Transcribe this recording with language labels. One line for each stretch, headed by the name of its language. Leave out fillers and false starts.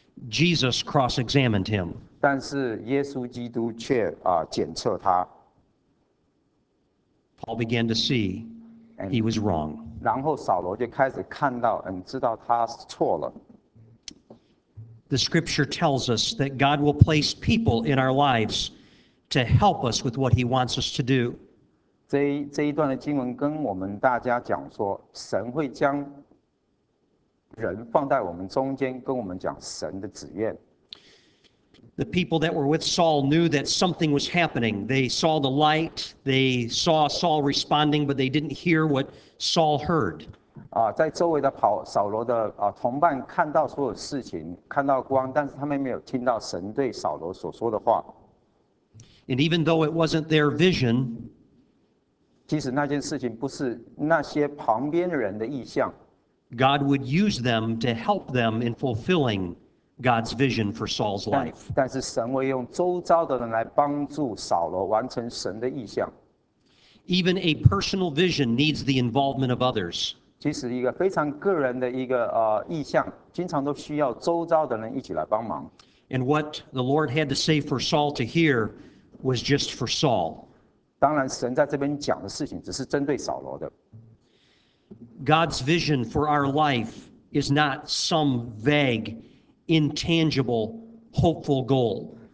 English: Jesus cross-examined him.
Chinese: 但是耶稣基督却检测他。
English: Paul began to see And he was wrong.
Chinese: 然后扫罗就开始看到，知道他错了。
English: The scripture tells us that God will place people in our lives to help us with what he wants us to do.
Chinese: 这一段的经文跟我们大家讲说，神会将人放在我们中间，跟我们讲神的旨愿。
English: The people that were with Saul knew that something was happening. They saw the light, they saw Saul responding, but they didn't hear what Saul heard.
Chinese: 在周围的扫罗的同伴看到所有事情，看到光，但是他们没有听到神对扫罗所说的话。
English: And even though it wasn't their vision,
Chinese: 即使那件事情不是那些旁边人的意象，
English: God would use them to help them in fulfilling God's vision for Saul's life.
Chinese: 但是神会用周遭的人来帮助扫罗完成神的意象。
English: Even a personal vision needs the involvement of others.
Chinese: 即使一个非常个人的一个意象，经常都需要周遭的人一起来帮忙。
English: And what the Lord had to say for Saul to hear was just for Saul.
Chinese: 当然，神在这边讲的事情只是针对扫罗的。
English: God's vision for our life is not some vague, intangible, hopeful goal.